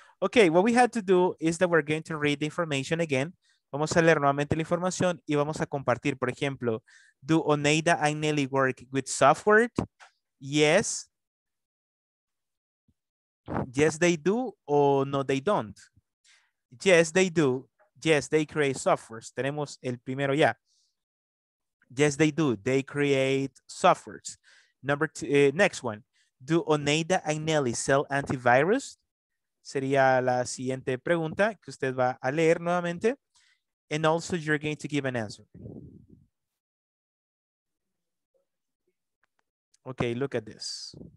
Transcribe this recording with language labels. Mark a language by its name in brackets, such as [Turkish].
[English] Okay, what we had to do is that we're going to read the information again. [Spanish] Vamos a leer nuevamente la información y vamos a compartir. Por ejemplo, [English] do Oneida and Nelly work with software? Yes. Yes, they do. Or no, they don't. Yes, they do. Yes, they create softwares. [Spanish] Tenemos el primero ya. [English] Yes, they do. They create softwares. Number two, next one. Do Oneida and Nelly sell antivirus? [Spanish] Sería la siguiente pregunta que usted va a leer nuevamente. [English] And also you're going to give an answer. Okay, look at this.